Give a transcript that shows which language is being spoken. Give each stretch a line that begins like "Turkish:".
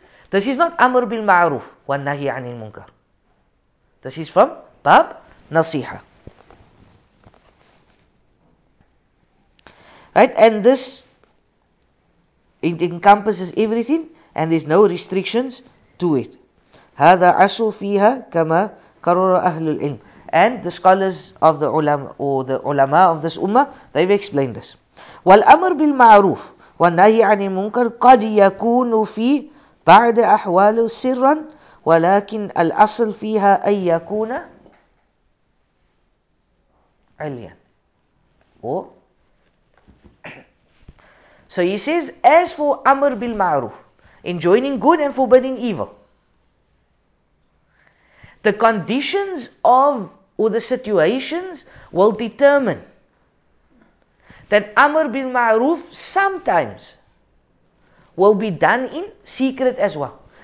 English: This is not amr bil ma'ruf wa nahi anil munkar. This is from bab nasiha. Right? And this, it encompasses everything and there's no restrictions to it.
Arabic: هذا أصل فيها كما قرر أهل العلم.
English: And the scholars of the ulama, or the ulama of this ummah, they've explained this.
Arabic: والأمر بالمعروف والنهي عن المنكر قد يكون في بعض أحوال سرا ولكن الأصل فيها أن يكون عليا.
English: So he says, as for amr bil ma'ruf, enjoining good and forbidding evil, the conditions of, or the situations, will determine that Amr bin Ma'ruf sometimes will be done in secret as well.